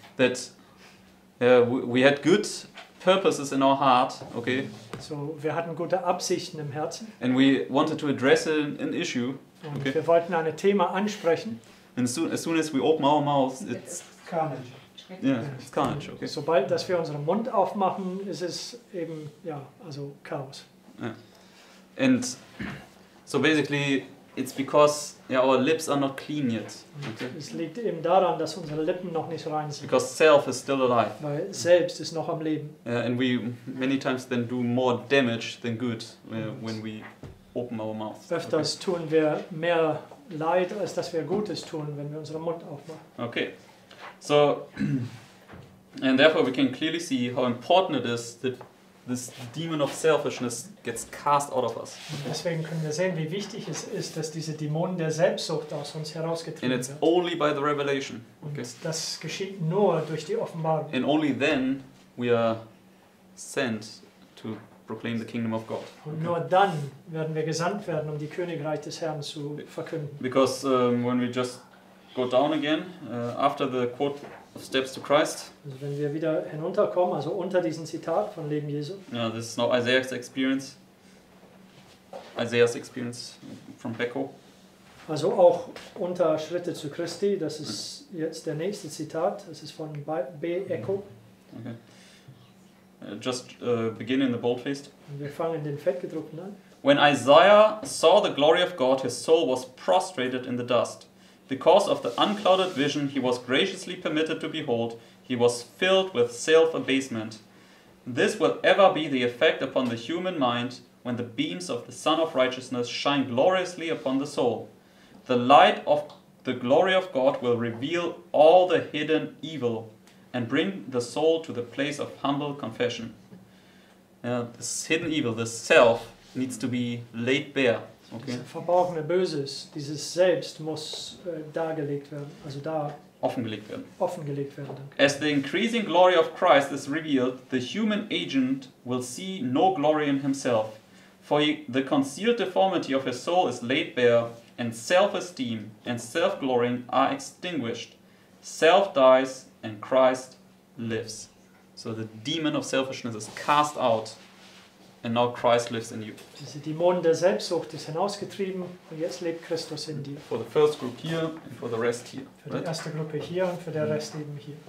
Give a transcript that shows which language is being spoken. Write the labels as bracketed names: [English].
[English] That we had good purposes in our heart, okay? [German] So, wir hatten gute Absichten im Herzen. [English] And we wanted to address an issue. [German] Und okay? Wir wollten ein Thema ansprechen. [English] And as soon as we open our mouths, it's carnage. Yeah, it's carnage, okay? [German] Sobald, dass wir unseren Mund aufmachen, ist es eben, ja, also Chaos. [English] Yeah. And so basically, it's because our lips are not clean yet. Okay? [German] Es liegt eben daran, dass unsere Lippen noch nicht rein sind. [English] Because self is still alive. [German] Weil Selbst ist noch am Leben. [English] Yeah, and we many times then do more damage than good when we open our mouths. [German] Öfters tun wir mehr Leid, als dass wir Gutes tun, wenn wir unseren Mund aufmachen. [English] Okay. So, and therefore we can clearly see how important it is that this demon of selfishness gets cast out of us. [German] Deswegen können wir sehen, wie wichtig es ist, dass diese Dämonen der Selbstsucht aus uns herausgetrieben werden. [English] And it's only by the revelation. [German] Okay. Und das geschieht nur durch die Offenbarung. [English] And only then we are sent to proclaim the kingdom of God. [German] Und nur dann werden wir gesandt werden, um die Königreich des Herrn zu verkünden. [English] Because when we just go down again, after the quote of steps to Christ. [German] Also wenn wir wieder hinunterkommen, also unter diesem Zitat von Leben Jesu. [English] Yeah, this is now Isaiah's experience. Isaiah's experience from Becco. [German] Also auch unter Schritte zu Christi, das ist jetzt der nächste Zitat, das ist von B. Echo. [English] Okay. Begin in the bold-faced. [German] Wir fangen in den Fettgedruckten an. [English] When Isaiah saw the glory of God, his soul was prostrated in the dust. Because of the unclouded vision he was graciously permitted to behold, he was filled with self-abasement. This will ever be the effect upon the human mind when the beams of the Sun of Righteousness shine gloriously upon the soul. The light of the glory of God will reveal all the hidden evil and bring the soul to the place of humble confession. This hidden evil, this self, needs to be laid bare. Okay. [German] Dieses verborgene Böses, dieses Selbst muss dargelegt werden, also da offengelegt werden. Offengelegt werden. Danke. [English] As the increasing glory of Christ is revealed, the human agent will see no glory in himself. For the concealed deformity of his soul is laid bare, and self-esteem and self-glorying are extinguished. Self dies and Christ lives. So the demon of selfishness is cast out And now Christ lives in you. [German] Diese Dämonen der Selbstsucht ist hinausgetrieben und jetzt lebt Christus in dir. [English] For the first group here and for the rest here. [German] Für die erste Gruppe hier und für den Rest eben hier.